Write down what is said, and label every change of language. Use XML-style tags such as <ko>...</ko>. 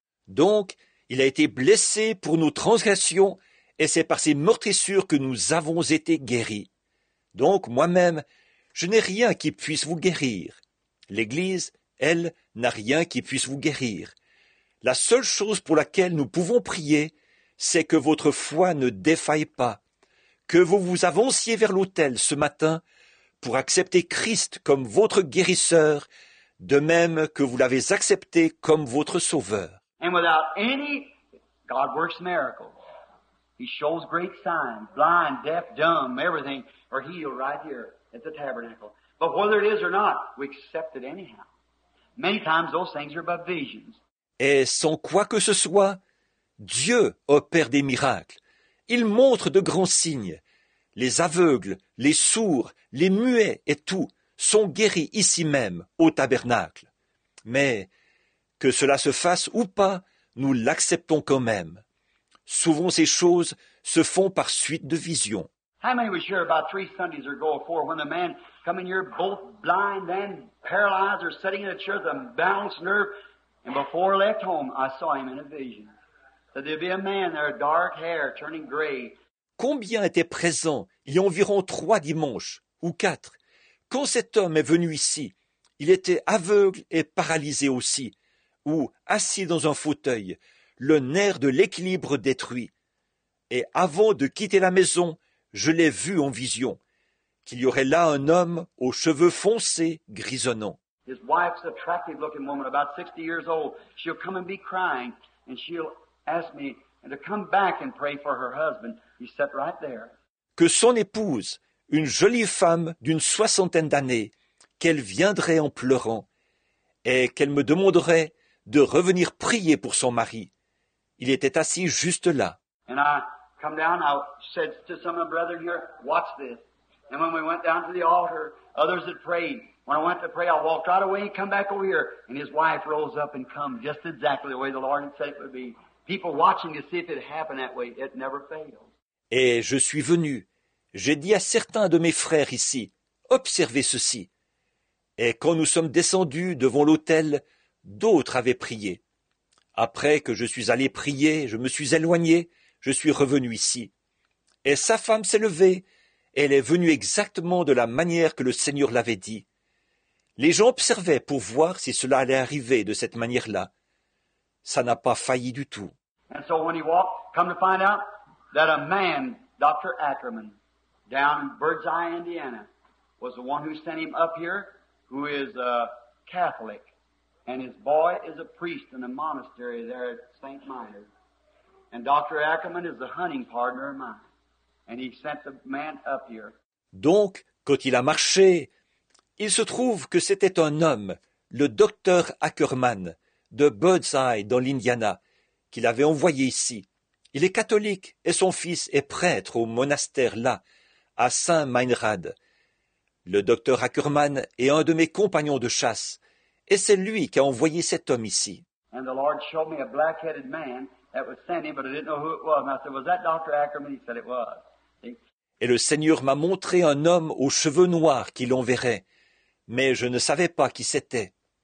<fr>Donc, il a été blessé pour nos transgressions, et c'est par ses meurtrissures que nous avons été guéris. Donc, moi-même, je n'ai rien qui puisse vous guérir. L'Église, elle, n'a rien qui puisse vous guérir. La seule chose pour laquelle nous pouvons prier, c'est que votre foi ne défaille pas, que vous vous avanciez vers l'autel ce matin pour accepter Christ comme votre guérisseur, de même que vous l'avez accepté comme votre sauveur.</fr> <en>And without any, God works miracles. He shows great signs, blind, deaf, dumb, everything are healed right here at the tabernacle. But whether it is or not, we accept it anyhow. Many times those things are about visions.</en> <fr>Et sans quoi que ce soit, Dieu opère des miracles. Il montre de grands signes. Les aveugles, les sourds, les muets et tout sont guéris ici même, au tabernacle. Mais que cela se fasse ou pas, nous l'acceptons quand même. Souvent ces choses se font par suite de visions.</fr> <en>How many was here about 3 Sundays ago or 4 when the man come in here both blind and paralyzed or sitting in a chair with a balanced nerve? And before I left home, I saw him in a vision. So there'd be a man there, dark hair, turning gray.</en> <fr>Combien étaient présents il y a environ 3 dimanches ou 4 quand cet homme est venu ici? Il était aveugle et paralysé aussi, ou assis dans un fauteuil, le nerf de l'équilibre détruit. Et avant de quitter la maison, je l'ai vu en vision, qu'il y aurait là un homme aux cheveux foncés, grisonnants.</fr> <en>His wife's attractive looking woman, about 60 years old. She'll come and be crying, and she'll ask me to come back and pray for her husband. He sat right there.</en> <fr>Que son épouse, une jolie femme d'une 60aine d'années, qu'elle viendrait en pleurant, et qu'elle me demanderait de revenir prier pour son mari. Il était assis juste là.</fr> <en>And I come down, I said to some of my brethren here, watch this. And when we went down to the altar, others had prayed. When I went to pray, I walked right away and come back over here. And his wife rose up and come just exactly the way the Lord had said it would be. People watching to see if it happened that way, it never failed.</en> <fr>Et je suis venu. J'ai dit à certains de mes frères ici, observez ceci. Et quand nous sommes descendus devant l'autel, d'autres avaient prié. Après que je suis allé prier, je me suis éloigné, je suis revenu ici. Et sa femme s'est levée. Elle est venue exactement de la manière que le Seigneur l'avait dit. Les gens observaient pour voir si cela allait arriver de cette manière-là. Ça n'a pas failli du tout.</fr> <en>And so when he walked, come to find out that a man, Dr. Ackerman, down in Birdseye, Indiana, was the one who sent him up here, who is a Catholic, and his boy is a priest in a monastery there at St. Myers. And Dr. Ackerman is the hunting partner of mine. And he sent the man up here.</en> <fr>Donc, quand il a marché, il se trouve que c'était un homme, le docteur Ackerman, de Birdseye, dans l'Indiana, qu'il avait envoyé ici. Il est catholique et son fils est prêtre au monastère là, à Saint-Meinrad. Le docteur Ackerman est un de mes compagnons de chasse, et c'est lui qui a envoyé cet homme ici.</fr> <en>And the Lord showed me a black-headed man that was standing, but I didn't know who it was. And I said, was that Dr. Ackerman? He said it was. See?</en> <fr>Et le Seigneur m'a montré un homme aux cheveux noirs qui l'enverrait, mais je ne savais pas qui c'était.</fr>